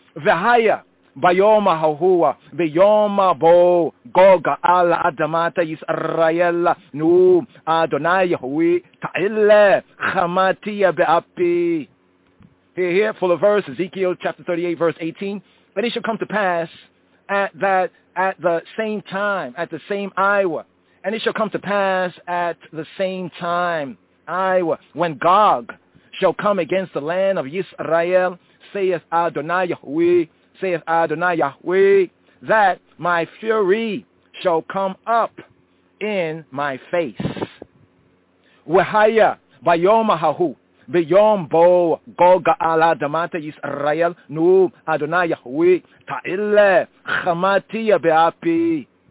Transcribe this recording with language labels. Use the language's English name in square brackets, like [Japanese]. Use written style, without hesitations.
[Hebrew] V'haya, ביום ההוא, ביום בו גוג על אדמת ישראל, נו, אדוני יהוה, תעלה חמתי באפי. [English] Here, full of verse, Ezekiel chapter 38, verse 18. But it shall come to pass at the same time, when Gog shall come against the land of Israel, saith Adonai Yahweh, that my fury shall come up in my face. [Hebrew] Wehaya bayom ahahu, ביום בו גוג על אדמת ישראל, נו, אדוני יהוה, תעלה חמתי באפי.